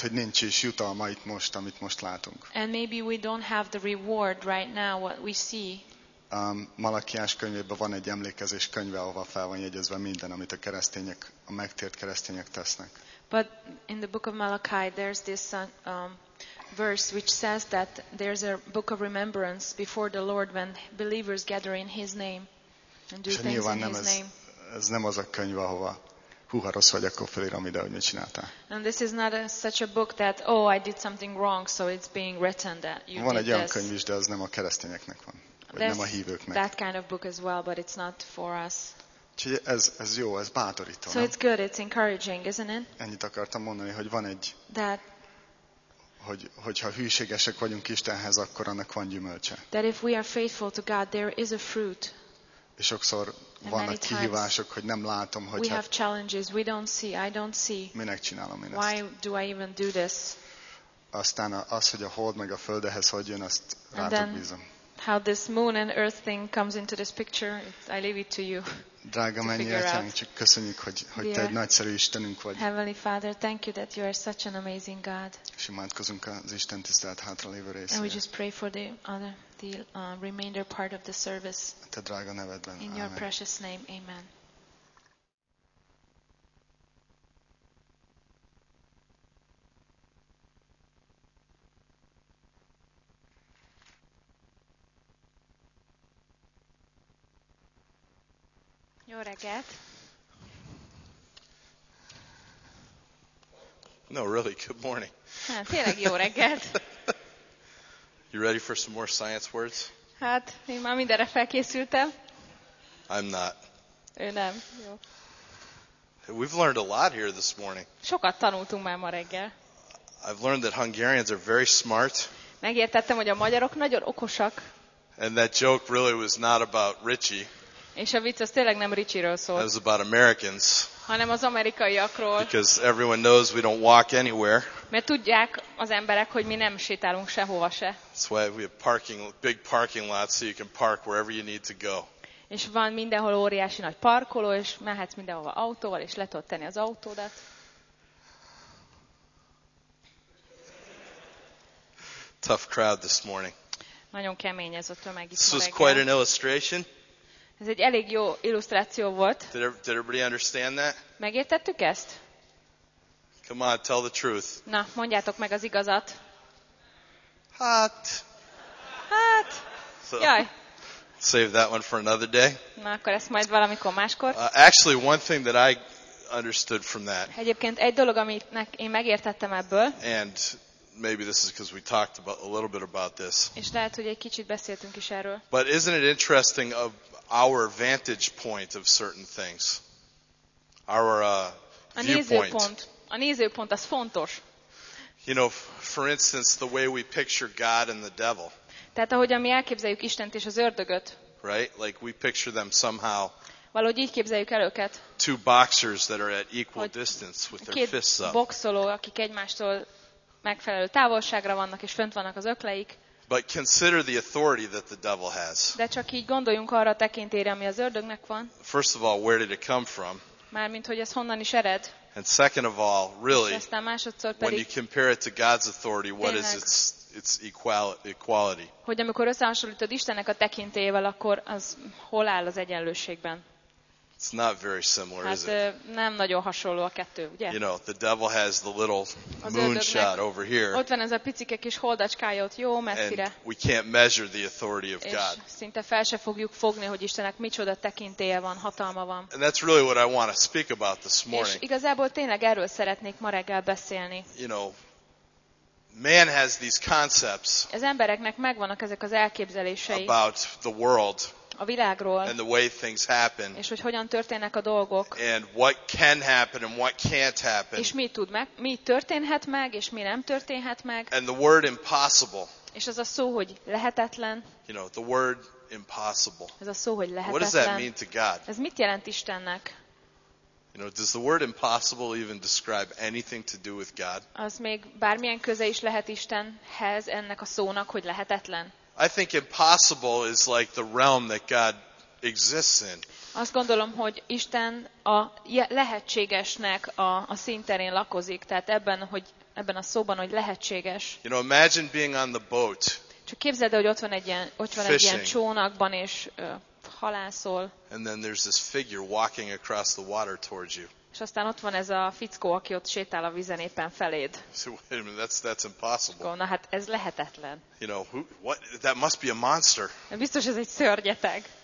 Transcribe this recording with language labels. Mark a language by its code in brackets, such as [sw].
[hu] hogy nincs is jutalma itt most, amit most látunk. [en] And maybe we don't have the reward right now what we see. [hu] Malakiás könyvében van egy emlékezés könyve, ahova fel van jegyezve minden, amit a keresztények, a megtért keresztények tesznek. [en] But in the book of Malachi there's this verse which says that there's a book of remembrance before the Lord when believers gather in his name and do things in his name. [hu] Ez nem az a könyv, ahova húha, rossz vagy, akkor felírom ide, hogy mit csináltál. [en] And this is not such a book that, oh, I did something wrong, so it's being written that you did this. [hu] Van egy olyan könyv is, de az nem a keresztényeknek van, vagy nem a hívőknek. [en] That kind of book as well, but it's not for us. [hu] Úgyhogy ez jó, ez bátorító. [en] So it's good, it's encouraging, isn't it? [hu] Ennyit akartam mondani, hogy van egy, [en] that, [hu] hogyha hűségesek vagyunk Istenhez, akkor annak van gyümölcse. [en] That if we are faithful to God, there is a fruit. [hu] És sokszor vannak kihívások, hogy nem látom, hogy [en] we don't see. [hu] Minek csinálom én ezt? [en] Why do I even do this? [hu] Aztán az, hogy a hold meg a földhez hogy jön, azt rátok bízom. [en] How this moon and earth thing comes into this picture, I leave it to you. [hu] Drága mennyi atyánk, csak köszönjük, hogy te egy nagyszerű Istenünk vagy. [en] Heavenly Father, thank you that you are such an amazing God. [hu] És imádkozunk az Isten tisztelet hátralévő részére. [en] And we just pray for the remainder part of the service. [hu] Te drága nevedben. [en] In your precious name, amen. [hu] Jó reggelt. [en] No, really, good morning. [hu] Hát, tényleg jó reggelt. [en] You ready for some more science words? [hu] Hát, én már mindenre felkészültem. [en] I'm not. [hu] Ő nem. Jó. [en] We've learned a lot here this morning. [hu] Sokat tanultunk már ma reggel. [en] I've learned that Hungarians are very smart. [hu] Megértettem, hogy a magyarok nagyon okosak. [en] And that joke really was not about Richie. [hu] És a vicc az tényleg nem Richie-ről szólt. [en] It was about Americans. [hu] Hanem az amerikaiakról. [en] Because everyone knows we don't walk anywhere. [hu] Mert tudják az emberek, hogy mi nem sétálunk sehova se. [en] That's why we have parking, big parking lots, so you can park wherever you need to go. [hu] És van mindenhol óriási nagy parkoló, és mehetsz mindenhova autóval, és le tudod tenni az autódat. [en] Tough crowd this morning. [hu] Nagyon kemény ez a tömeg itt ma reggel. [en] This was quite an illustration. [hu] Ez egy elég jó illusztráció volt. [en] Did everybody understand that? [hu] Megértettük ezt? [en] Come on, tell the truth. [hu] Na, mondjátok meg az igazat. Hát. [en] So, jaj. Save that one for another day. [hu] Na, akkor ezt majd valamikor máskor. [en] Actually, one thing that I understood from that. [hu] Egyébként egy dolog, amit én megértettem ebből. [en] And maybe this is because we talked about a little bit about this. [hu] És lehet, hogy egy kicsit beszéltünk is erről. [en] But isn't it interesting of our vantage point of certain things? Our viewpoint. [hu] A nézőpont az fontos. [en] You know, for instance, the way we picture God and the devil. [hu] Tehát ahogy mi elképzeljük Istent és az ördögöt. [en] Right? Like we picture them somehow. [hu] Valahogy így képzeljük el őket. [en] Two boxers that are at equal distance with their fists up. [hu] Két boxoló, akik egymástól megfelelő távolságra vannak és fönt vannak az ökleik. [en] But consider the authority that the devil has. [hu] De csak így gondoljunk arra a tekintélyre, ami az ördögnek van. [en] First of all, where did it come from? [hu] Mármint hogy ez honnan is ered? [en] And second of all, really, [hu] pedig, [en] when you compare it to God's authority, what is its equality? [hu] Hogy amikor összehasonlítod Istennek a tekintélyével, akkor az hol áll az egyenlőségben? [en] It's not very similar, [hu] hát, [en] is it? [hu] Nem nagyon hasonló a kettő, ugye? [en] You know, the devil has the little moonshot over here. [hu] Ott van ez a picike kis holdacskája ott, jó messzire. [en] And we can't measure the authority of God. [hu] És szinte fel se fogjuk fogni, hogy Istennek micsoda tekintélye van, hatalma van. [en] And that's really what I want to speak about this morning. [hu] És igazából tényleg erről szeretnék ma reggel beszélni. [en] You know, man has these concepts. [hu] Az embereknek megvannak ezek az elképzelései. [en] About the world. [hu] A világról, [en] and the way things happen, [hu] és hogy hogyan történnek a dolgok, [en] and what can happen and what can't happen, [hu] és mi történhet meg, és mi nem történhet meg, [en] and the word impossible, [hu] és az a szó, hogy lehetetlen, [en] you know, the word impossible, [hu] ez a szó, hogy lehetetlen, [en] what does that mean to God? [hu] Ez mit jelent Istennek? [en] You know, does the word impossible even describe anything to do with God? [hu] Az még bármilyen köze is lehet Istenhez, ennek a szónak, hogy lehetetlen. [en] I think impossible is like the realm that God exists in. [hu] Azt gondolom, hogy Isten a lehetségesnek a színterén lakozik, tehát ebben a szóban, hogy lehetséges. [en] You know, imagine being on the boat. [hu] Csak képzeld el, hogy ott van egy ilyen csónakban és halászol. [en] And then there's this figure walking across the water towards you. [hu] És aztán ott van ez a fickó, aki ott sétál a vízen éppen feléd. [en] So, wait a minute, that's impossible. [hu] Akkor, na hát ez lehetetlen. [en] You know, what? That must be a monster. [hu] Biztos ez egy szörnyeteg.